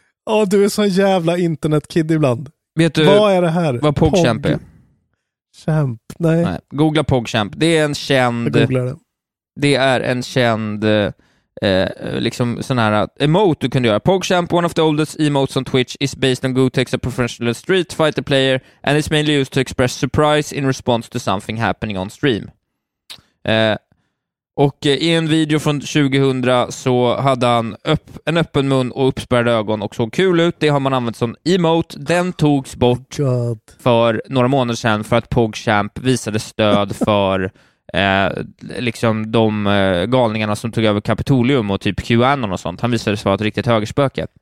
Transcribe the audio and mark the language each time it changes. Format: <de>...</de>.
<sv>Åh, du är så jävla internetkid ibland. Vet du, vad är det här? Vad Pogchamp är? Champ. Nej. Nej. Googla Pogchamp. Det är en känd... Jag googlar det. Det är en känd... liksom sån här emote du kunde göra.</sv> <en>Pogchamp, one of the oldest emotes on Twitch, is based on Gutex, a professional street fighter player, and is mainly used to express surprise in response to something happening on stream.</en> <sv>Och i en video från 2000 så hade han en öppen mun och uppspärrade ögon och såg kul ut. Det har man använt som emote. Den togs bort för några månader sedan för att Pogchamp visade stöd för liksom de galningarna som tog över Kapitolium och typ QAnon och sånt. Han visade sig vara ett riktigt högerspöke.</sv>